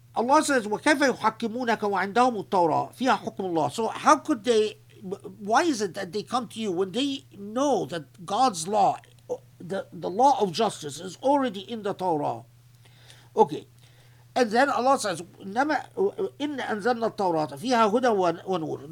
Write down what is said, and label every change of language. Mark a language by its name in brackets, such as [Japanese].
[English] Allah says, [Arabic] وكيف يحكمونك وعندهم التوراة فيها حكم الله. [English] So how could they, why is it that they come to you when they know that God's law, the law of justice is already in the Torah? Okay. And then Allah says, [Arabic] إن أنزلنا التوراة فيها هدى ونور.